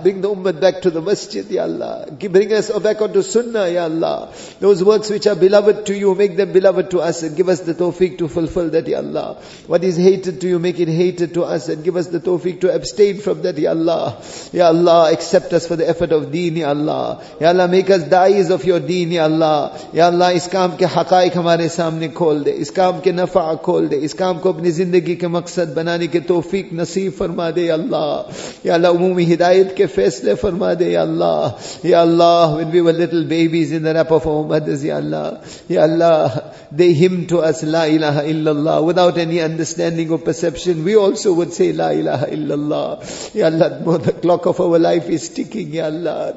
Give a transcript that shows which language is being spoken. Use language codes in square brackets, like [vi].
[en] Bring the ummah back to the masjid, Ya Allah. Bring us back onto sunnah, Ya Allah. Those works which are beloved to you, make them beloved to us and give us the tawfiq to fulfill that, Ya Allah. What is hated to you, make it hated to us and give us the tawfiq to abstain from that, Ya Allah. Ya Allah. Accept us for the effort of deen, Ya Allah. Ya Allah. Make us da'is of your deen, Ya Allah. Ya Allah. [ur] اس کام کے حقائق ہمارے سامنے کھول دے, اس کام کے نفع کھول دے, اس کام کو اپنی زندگی کے مقصد بنانے کے توفیق نصیب فرما دے, اللہ. Ya Allah, umumi hidayat ke faisle farma de, Ya Allah. [en] Ya Allah, when we were little babies in the lap of our mothers, Ya Allah. Ya Allah, they hymn to us, La ilaha illallah. Without any understanding or perception, we also would say, La ilaha illallah. Ya Allah, the clock of our life is ticking, Ya Allah.